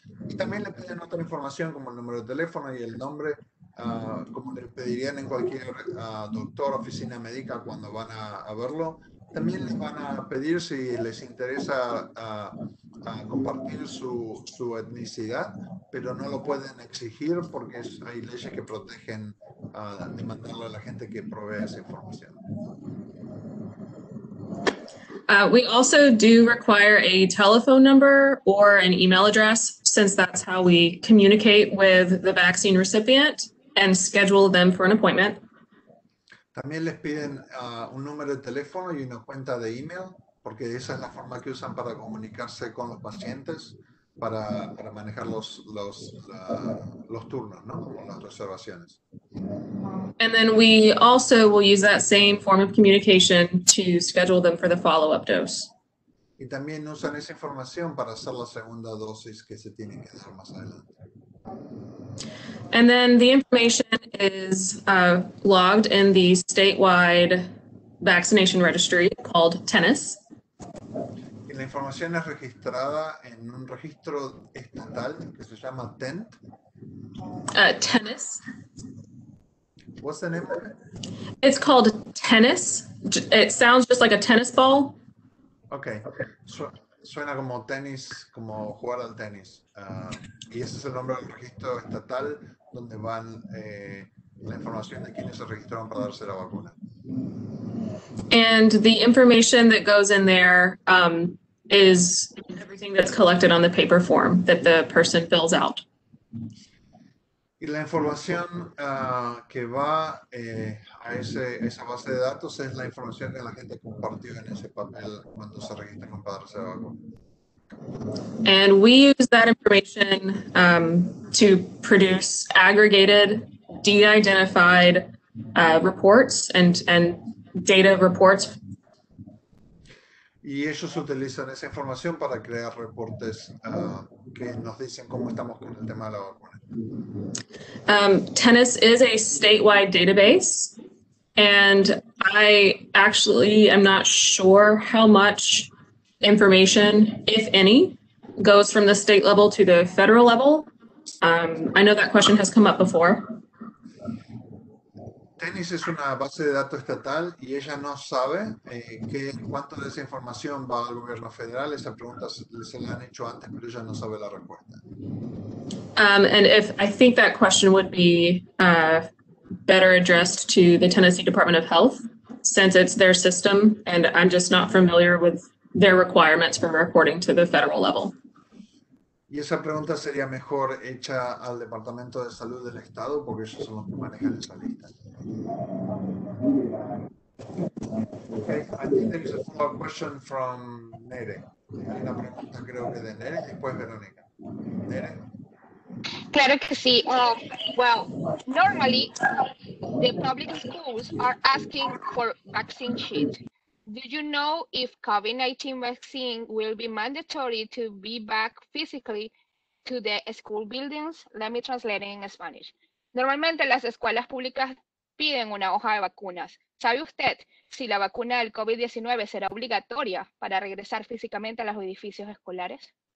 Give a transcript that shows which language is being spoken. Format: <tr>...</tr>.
<es>Y también le piden otra información como el número de teléfono y el nombre, como le pedirían en cualquier doctor, oficina médica cuando van a verlo. También les van a pedir si les interesa compartir su etnicidad, pero no lo pueden exigir porque hay leyes que protegen demandarlo a la gente que provee esa información.</es> <en>We also do require a telephone number or an email address, since that's how we communicate with the vaccine recipient and schedule them for an appointment.</en> <es>También les piden un número de teléfono y una cuenta de email, porque esa es la forma que usan para comunicarse con los pacientes, para manejar los turnos, ¿no? O las reservaciones.</es> <en>And then we also will use that same form of communication to schedule them for the follow-up dose.</en> <es>Y también usan esa información para hacer la segunda dosis que se tiene que hacer más adelante.</es> <en>And then the information is logged in the statewide vaccination registry called TENIS.</en> <es>Y la información es registrada en un registro estatal que se llama TENT. TENIS.</es> <en>What's the name of it? It's called TENIS. It sounds just like a tennis ball.</en> <es>Okay. Suena como tenis, como jugar al tenis. Y ese es el nombre del registro estatal donde van la información de quienes se registraron para darse la vacuna.</es> <en>And the information that goes in there is everything that's collected on the paper form that the person fills out.</en> <es>Y la información que va a esa base de datos es la información que la gente compartió en ese papel cuando se registra con padres de vacuna.</es> <en>And we use that information to produce aggregated, de-identified reports and data reports.</en> <es>Y ellos utilizan esa información para crear reportes que nos dicen cómo estamos con el tema de la vacuna.</es> <en>TENIS is a statewide database, and I actually am not sure how much information, if any, goes from the state level to the federal level. I know that question has come up before.</en> <es>TENIS es una base de datos estatal y ella no sabe cuánto de esa información va al gobierno federal. Esa pregunta se la han hecho antes, pero ella no sabe la respuesta.</es> <en>And if I think that question would be better addressed to the Tennessee Department of Health, since it's their system, and I'm just not familiar with their requirements for reporting to the federal level.</en> <es>Y esa pregunta sería mejor hecha al Departamento de Salud del Estado, porque ellos son los que manejan esa lista.</es> <en>Okay, I think there's a follow-up question from Nere.</en> <es>Hay una pregunta, creo que de Nere, después Verónica. Nere. Claro que sí.</es> <en>Well, normally the public schools are asking for vaccine sheet. Do you know if COVID-19 vaccine will be mandatory to be back physically to the school buildings? Let me translate it in Spanish.</en> <es>Normalmente las escuelas públicas piden una hoja de vacunas. ¿Sabe usted si la vacuna del COVID-19 será obligatoria para regresar físicamente a los edificios escolares?</es>